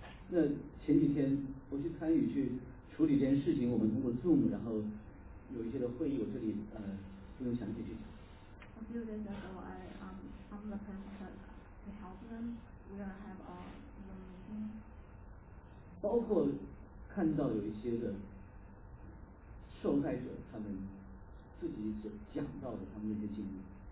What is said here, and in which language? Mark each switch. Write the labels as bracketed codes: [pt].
[zh] 那前几天我去参与去处理这件事情，我们通过 Zoom， 然后有一些的会议，我这里不用详细去讲。 [en] A few days ago, I'm the person to help them. We're gonna have a Zoom meeting. [zh] 包括看到有一些的受害者，他们自己所讲到的他们那些经历。